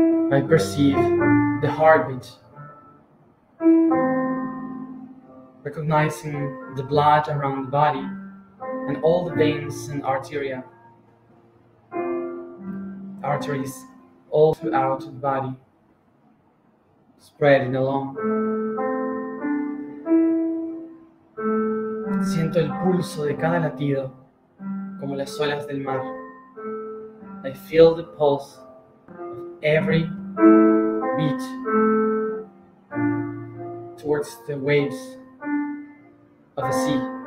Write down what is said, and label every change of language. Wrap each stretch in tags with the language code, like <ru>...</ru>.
<en>I perceive the heartbeat, recognizing the blood around the body and all the veins and arteries all throughout the body, spreading along.</en> <es>Siento el pulso de cada latido como las olas del mar.</es> <en>I feel the pulse of every beat towards the waves of the sea.</en>